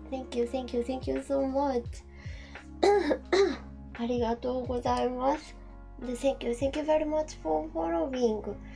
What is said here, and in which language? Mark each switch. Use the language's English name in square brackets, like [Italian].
[English] Thank you, thank you, thank you so much. [Japanese] ありがとうございます。 [English] Thank you, thank you very much for following.